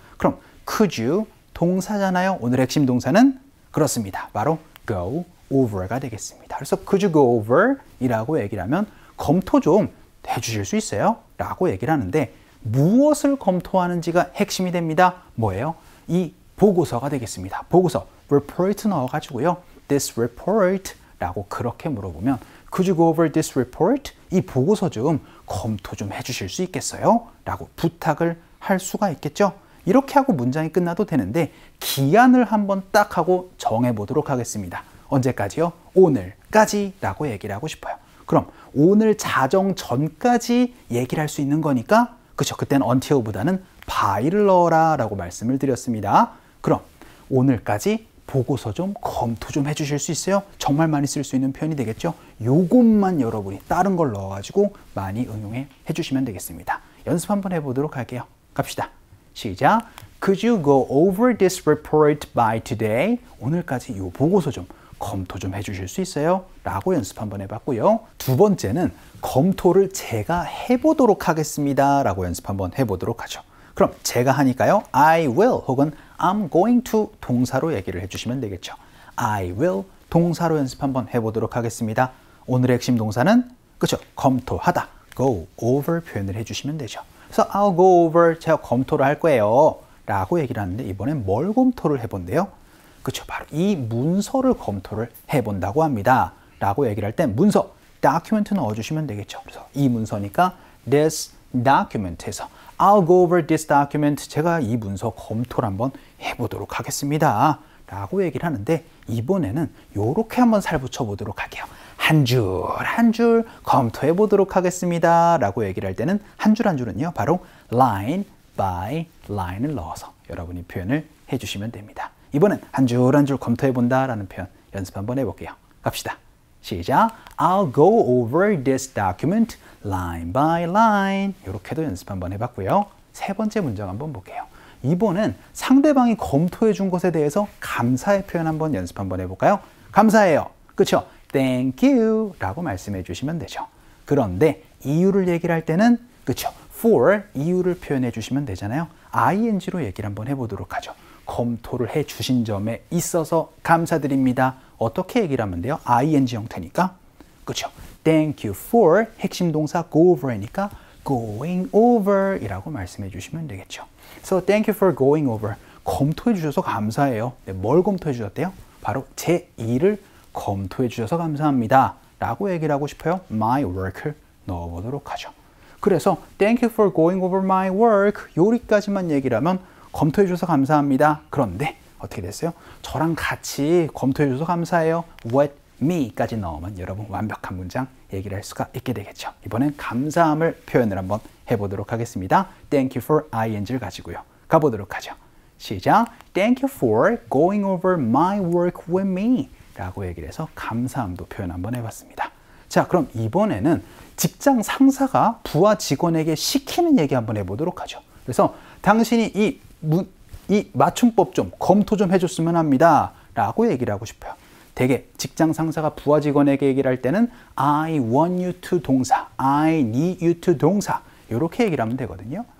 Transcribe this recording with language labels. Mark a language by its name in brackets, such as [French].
[Korean] 그럼 could you 동사잖아요. 오늘 핵심 동사는 그렇습니다. 바로 go over가 되겠습니다. 그래서 [English] could you go over [Korean] 이라고 얘기를 하면 검토 좀 해주실 수 있어요? 라고 얘기를 하는데, 무엇을 검토하는지가 핵심이 됩니다. 뭐예요? 이 보고서가 되겠습니다. [English] 보고서 report 넣어가지고요, this report [Korean] 라고 그렇게 물어보면 [English] Could you go over this report? [Korean] 이 보고서 좀 검토 좀 해주실 수 있겠어요? 라고 부탁을 할 수가 있겠죠? 이렇게 하고 문장이 끝나도 되는데, 기한을 한번 딱 하고 정해보도록 하겠습니다. 언제까지요? 오늘까지 라고 얘기를 하고 싶어요. 그럼 오늘 자정 전까지 얘기를 할 수 있는 거니까, 그쵸? 그때는 until보다는 by를 넣어라 라고 말씀을 드렸습니다. 그럼 오늘까지 보고서 좀 검토 좀 해주실 수 있어요? 정말 많이 쓸 수 있는 표현이 되겠죠? 요것만 여러분이 다른 걸 넣어가지고 많이 응용해 해주시면 되겠습니다. 연습 한번 해보도록 할게요. 갑시다. 시작! [English] Could you go over this report by today? [Korean] 오늘까지 요 보고서 좀 검토 좀 해주실 수 있어요? 라고 연습 한번 해봤고요. 두 번째는 검토를 제가 해보도록 하겠습니다. 라고 연습 한번 해보도록 하죠. 그럼 제가 하니까요, [English] I will [Korean] 혹은 [English] I'm going to [Korean] 동사로 얘기를 해주시면 되겠죠. [English] I will [Korean] 동사로 연습 한번 해보도록 하겠습니다. 오늘의 핵심 동사는 그쵸? 검토하다, go over 표현을 해주시면 되죠. 그래서 [English] I'll go over, [Korean] 제가 검토를 할 거예요 라고 얘기를 하는데, 이번엔 뭘 검토를 해본대요? 그쵸? 바로 이 문서를 검토를 해본다고 합니다 라고 얘기를 할 때 문서, document 넣어주시면 되겠죠. 그래서 이 문서니까 [English] this document에서 I'll go over this document. [Korean] 제가 이 문서 검토를 한번 해보도록 하겠습니다. 라고 얘기를 하는데, 이번에는 이렇게 한번 살붙여 보도록 할게요. 한 줄 한 줄 검토해 보도록 하겠습니다. 라고 얘기를 할 때는 한 줄 한 줄은요, 바로 [English] line by line [Korean] 을 넣어서 여러분이 표현을 해주시면 됩니다. 이번엔 한 줄 한 줄 검토해 본다 라는 표현 연습 한번 해볼게요. 갑시다. 시작! [English] I'll go over this document line by line. [Korean] 이렇게도 연습 한번 해봤고요. 세 번째 문장 한번 볼게요. 이번엔 상대방이 검토해 준 것에 대해서 감사의 표현 한번 연습 한번 해볼까요? 감사해요. 그쵸? [English] Thank you [Korean] 라고 말씀해 주시면 되죠. 그런데 이유를 얘기를 할 때는 그쵸? For 이유를 표현해 주시면 되잖아요. ing로 얘기를 한번 해보도록 하죠. 검토를 해 주신 점에 있어서 감사드립니다. 어떻게 얘기를 하면 돼요? ing 형태니까. 그쵸? [English] Thank you for [Korean] 핵심 동사 [English] go over이니까 going over [Korean] 이라고 말씀해 주시면 되겠죠. [English] So thank you for going over. [Korean] 검토해 주셔서 감사해요. 네, 뭘 검토해 주셨대요? 바로 제 일을 검토해 주셔서 감사합니다. 라고 얘기를 하고 싶어요. My work을 넣어보도록 하죠. 그래서 [English] thank you for going over my work. [Korean] 여기까지만 얘기를 하면 검토해 주셔서 감사합니다. 그런데 어떻게 됐어요? 저랑 같이 검토해 주셔서 감사해요. [English] What me [Korean] 까지 넣으면 여러분 완벽한 문장 얘기를 할 수가 있게 되겠죠. 이번엔 감사함을 표현을 한번 해보도록 하겠습니다. [English] Thank you for ing를 가지고요. [Korean] 가보도록 하죠. 시작! [English] Thank you for going over my work with me. [Korean] 라고 얘기를 해서 감사함도 표현 한번 해봤습니다. 자, 그럼 이번에는 직장 상사가 부하 직원에게 시키는 얘기 한번 해보도록 하죠. 그래서 당신이 이 맞춤법 좀 검토 좀 해줬으면 합니다 라고 얘기를 하고 싶어요. 대개 직장 상사가 부하 직원에게 얘기를 할 때는 [English] I want you to [Korean] 동사, [English] I need you to [Korean] 동사 이렇게 얘기를 하면 되거든요.